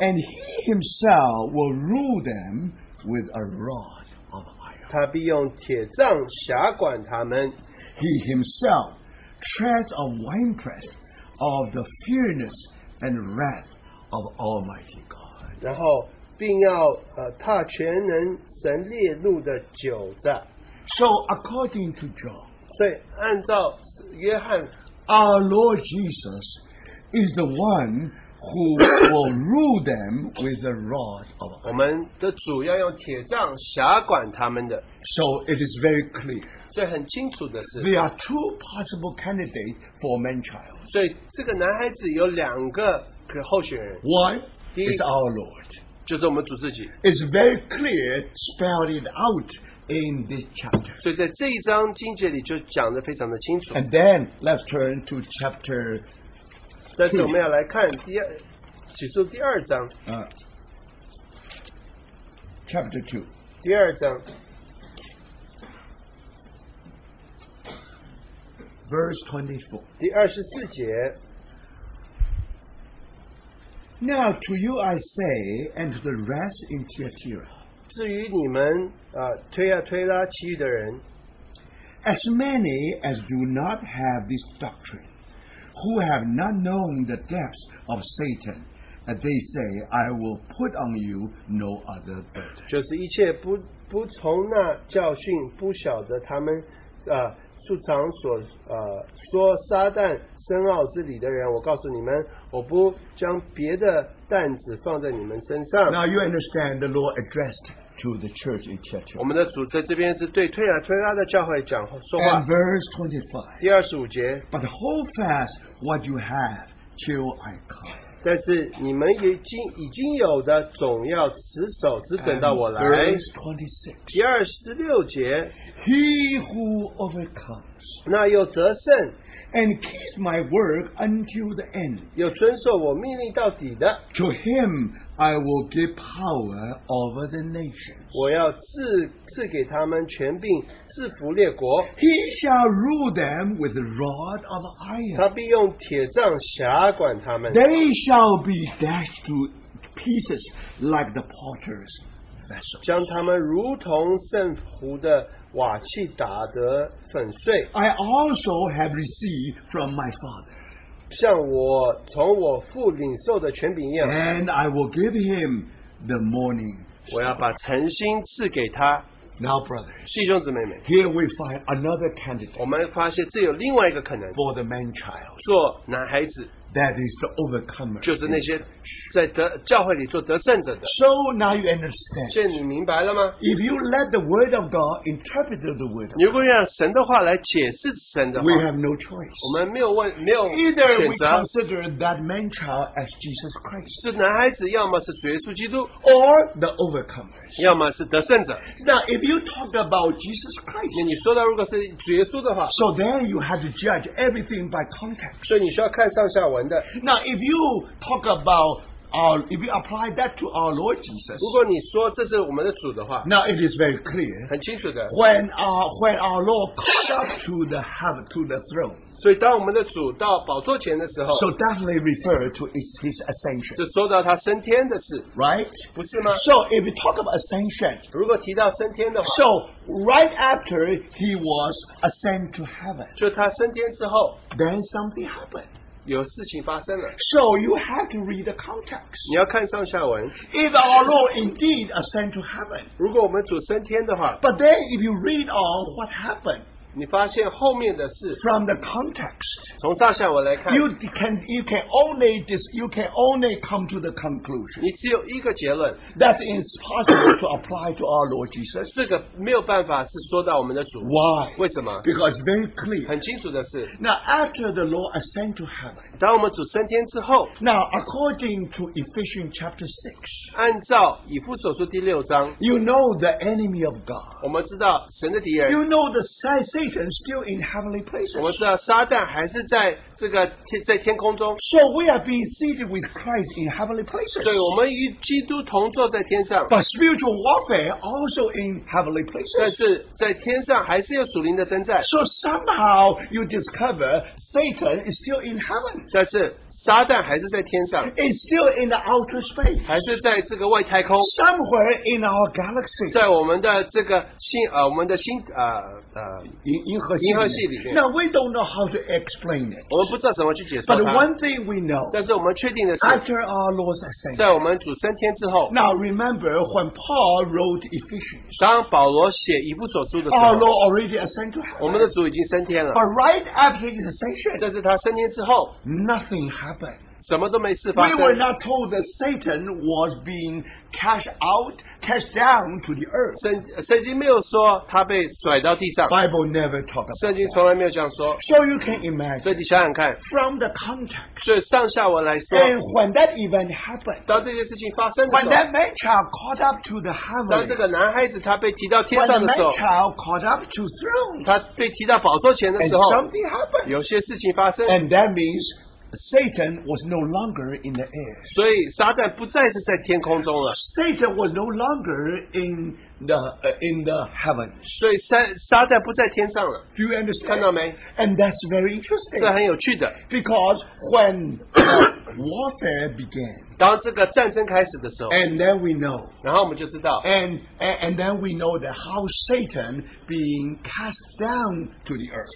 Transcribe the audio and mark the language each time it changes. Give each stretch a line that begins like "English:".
English: And he himself will rule them with a rod of iron.
Chinese: 他必用铁杖辖管他们。
English: He himself treads a winepress of the fierceness and wrath of Almighty God.
Chinese: 然后并要踏全能神烈怒的酒杖。
English: So according to John,
Chinese: 对，按照约翰,
English: our Lord Jesus is the one who will rule them with the rod of iron.
Chinese: 我们的主要用铁杖辖管他们的。
English: So it is very clear.
Chinese: 所以很清楚的是,
English: there are two possible candidates for man child.
Chinese: 所以这个男孩子有两个候选人。
English: One
Chinese: 第一,
English: is our Lord.
Chinese: 就是我们主自己。
English: It's very clear, spelled it out in this chapter.
Chinese: 所以在这一章经节里就讲得非常的清楚。
English: And then let's turn to chapter
Chinese: 但是我们要来看第二启示录第二章。
English: Chapter 2。
Chinese: 第二章。
English: Verse 24. Now to you I say, and to the rest in Thyatira.
Chinese: 至于你们推亚推拉其余的人,
English: as many as do not have this doctrine, who have not known the depths of Satan, that they say, I will put on you no other burden.
Chinese: 就是一切不从那教训不晓得他们素常所说撒旦深奥之理的人，我告诉你们，我不将别的担子放在你们身上。
English: Now you understand the Lord addressed to the church in Thyatira.
Chinese: 我们的主在这边是对推亚推拉的教会讲说话。
English: And verse 25.
Chinese: 第二十五节。
English: But hold fast what you have till I come.
Chinese: 但是你们已经有的，总要持守，只等到我来。
English: Verse 26.
Chinese: 第二十六节。
English: He who overcomes.
Chinese: 那又得胜。
English: And keeps my word until the end.
Chinese: 又遵守我命令到底的。
English: To him I will give power over the nations.
Chinese: 我要赐给他们权柄，制服列国。
English: He shall rule them with a rod of iron.
Chinese: 他必用铁杖辖管他们。
English: They shall be dashed to pieces like the potter's vessel.
Chinese: 将他们如同圣壶的瓦器打得粉碎。
English: I also have received from my father.
Chinese: 像我从我父领受的权柄一样。
English: And I will give him the morning star.
Chinese: 我要把晨星赐给他。
English: Now, brothers,
Chinese: 弟兄姊妹们。
English: Here we find another candidate.
Chinese: 我们发现这有另外一个可能。
English: For the man child.
Chinese: 做男孩子。
English: That is the overcomer.
Chinese: 就是那些在教会里做得胜者的。
English: So now you understand.
Chinese: 现在你明白了吗？
English: If you let the word of God interpret the word of God,
Chinese: 如果让神的话来解释神的话，
English: we have no choice.
Chinese: 我们没有选择。
English: Either we consider that man child as Jesus Christ.
Chinese: 是男孩子，要么是主耶稣基督，
English: or the overcomer.
Chinese: 要么是得胜者。
English: Now if you talk about Jesus Christ,
Chinese: 那你说到如果是主耶稣的话，
English: so then you have to judge everything by context.
Chinese: 所以你需要看上下文。
English: Now, if you talk about our, if you apply that to our Lord Jesus,
Chinese: 如果你说这是我们的主的话,
English: now it is very clear,
Chinese: 很清楚的,
English: when our Lord caught up to the heaven, to the throne,
Chinese: 所以当我们的主到宝座前的时候,
English: so definitely refer to his ascension,
Chinese: 是说到他升天的事,
English: right?
Chinese: 不是吗?
English: So if you talk about ascension,
Chinese: 如果提到升天的话,
English: so right after he was ascended to heaven,
Chinese: 就他升天之后,
English: then something happened.
Chinese: 有事情发生了。
English: So you have to read the context.
Chinese: 你要看上下文。
English: If our Lord indeed ascend to heaven.
Chinese: 如果我们主升天的话。
English: But then if you read on what happened.
Chinese: 你发现后面的事。
English: From the context.
Chinese: 从上下文来看。
English: You can only come to the conclusion.
Chinese: 你只有一个结论。
English: That is possible to apply to our Lord Jesus.
Chinese: 这个没有办法是说到我们的主。
English: Why?
Chinese: 为什么?
English: Because it's very clear.
Chinese: 很清楚的是。
English: Now after the Lord ascend to heaven.
Chinese: 当我们主升天之后。
English: Now according to Ephesians chapter 6.
Chinese: 按照以弗所书第六章。
English: You know the enemy of God.
Chinese: 我们知道神的敌人。
English: You know the Satan still in heavenly places.
Chinese: 我们知道撒旦还是在这个在天空中。
English: So we are being seated with Christ in heavenly places.
Chinese: 对，我们与基督同坐在天上。
English: But spiritual warfare also in heavenly places.
Chinese: 但是在天上还是有属灵的征战。
English: So somehow you discover Satan is still in heaven.
Chinese: 但是撒旦还是在天上。
English: Is still in the outer space.
Chinese: 还是在这个外太空。
English: Somewhere in our galaxy.
Chinese: 在我们的这个星我们的星银河系里面。
English: Now we don't know how to explain it.
Chinese: 我们不知道怎么去解释。
English: But one thing we know.
Chinese: 但是我们确定的是。
English: After our Lord's ascension.
Chinese: 在我们主升天之后。
English: Now remember when Paul wrote Ephesians.
Chinese: 当保罗写以弗所书的时候。
English: Our Lord already ascended to heaven.
Chinese: 我们的主已经升天了。
English: But right after his ascension.
Chinese: 这是他升天之后。
English: Nothing happened.
Chinese: 什么都没事发生。
English: We were not told that Satan was being cast down to the earth.
Chinese: 圣经没有说他被甩到地上。
English: Bible never talk about.
Chinese: 圣经从来没有这样说。
English: So you can imagine.
Chinese: 所以你想想看。
English: From the context.
Chinese: 所以上下文来说。
English: And when that event happened.
Chinese: 当这件事情发生的时候。
English: When that man child caught up to the heaven.
Chinese: 当这个男孩子他被提到天上的时候。
English: When that man child caught up to throne.
Chinese: 他被提到宝座前的时候。
English: And something happened.
Chinese: 有些事情发生。
English: And that means Satan was no longer in the air.
Chinese: 所以撒旦不再是在天空中了。
English: Satan was no longer in the heavens.
Chinese: 所以撒旦不在天上了。
English: Do you understand?
Chinese: 看到没?
English: And that's very interesting.
Chinese: 这很有趣的。
English: Because when warfare began,
Chinese: 当这个战争开始的时候,
English: and then we know,
Chinese: 然后我们就知道,
English: and then we know that how Satan being cast down to the earth.